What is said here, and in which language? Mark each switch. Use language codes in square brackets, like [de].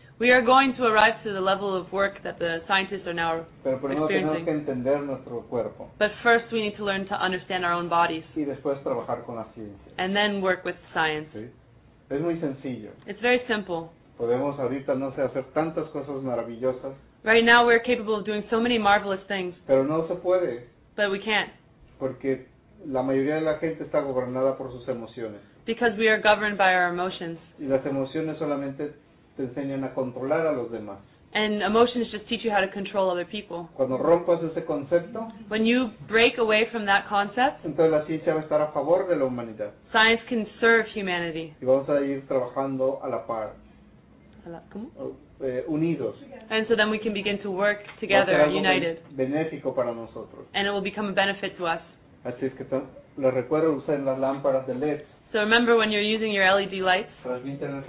[en] We are going to arrive to the level of work that the scientists are now experiencing. [es] Pero primero tenemos que entender nuestro cuerpo. [en] But first we need to learn to understand our own bodies. [es] Y después trabajar con la ciencia. [en] And then work with science. [es] Sí. Es muy sencillo. [en] It's very simple. [es] Podemos ahorita, no sé, hacer tantas cosas maravillosas. [en] Right now we're capable of doing so many marvelous things. [es] Pero no se puede. [en] But we can't. [es] Porque la mayoría de la gente está gobernada por sus emociones. [en] Because we are governed by our emotions. [es] Y las emociones solamente te enseñan a controlar a los demás. [en] And emotions just teach you how to control other people. [es] Cuando rompas ese concepto, [en] when you break away from that concept, [es] entonces la ciencia va a estar a favor de la humanidad. [en] Science can serve humanity. [es] Y vamos a ir trabajando a la par. ¿Cómo? Unidos. [en] And so then we can begin to work together, united. [es] Va a ser algo benéfico para nosotros. [en] And it will become a benefit to us. [es] Así es que les recuerdo usar las lámparas de LED. [en] So remember, when you're using your LED lights,